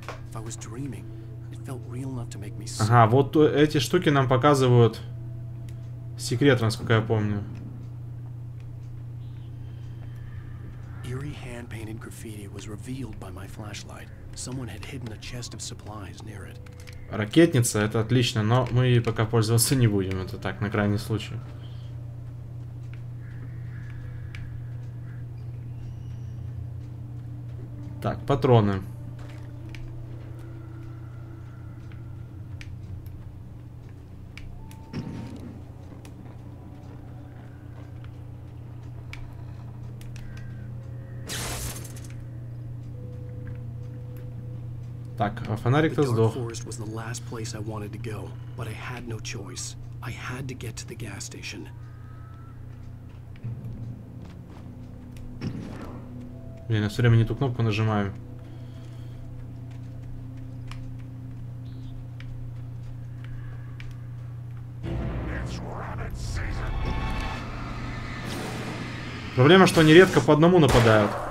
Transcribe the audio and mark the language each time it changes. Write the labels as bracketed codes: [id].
[en] If I was dreaming, it felt real enough to make me sick. [ru] Ага, вот эти штуки нам показывают секрет, насколько я помню. [en] Eerie hand-painted graffiti was revealed by my flashlight. Someone had hidden a chest of supplies near it. [ru] Ракетница, это отлично, но мы ей пока пользоваться не будем. Это так, на крайний случай. Так, патроны. Так, а фонарик-то сдох. [en] Forest was the last place I wanted to go, but I had no choice. I had to get to the gas station. [ru] Блин, я все время не ту кнопку нажимаю. Проблема, что они редко по одному нападают.